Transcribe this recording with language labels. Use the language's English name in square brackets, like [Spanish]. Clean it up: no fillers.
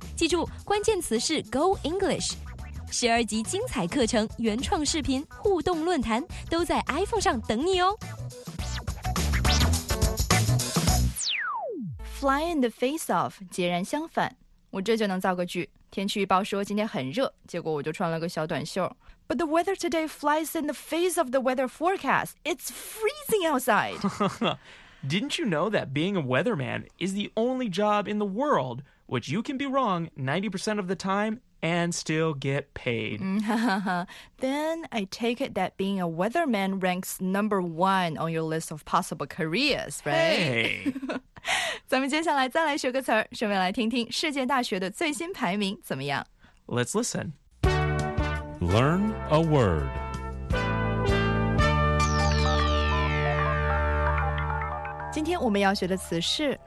[Chinese] 记住，关键词是 Go English。12集精彩课程、原创视频、互动论坛都在 iPhone 上等你哦。 [English] Fly in the face of [Chinese] 截然相反，我这就能造个句。天气预报说今天很热，结果我就穿了个小短袖。 [English] But the weather today flies in the face of the weather forecast. It's freezing outside. Didn't you know that being a weatherman is the only job in the world which you can be wrong 90% of the time and still get paid? Then I take it that being a weatherman ranks number one on your list of possible careers, right? Hey! [Chinese] 咱们接下来再来学个词儿，顺便来听听世界大学的最新排名怎么样。 [English] Let's listen. Learn a word. Today, we're going to learn the word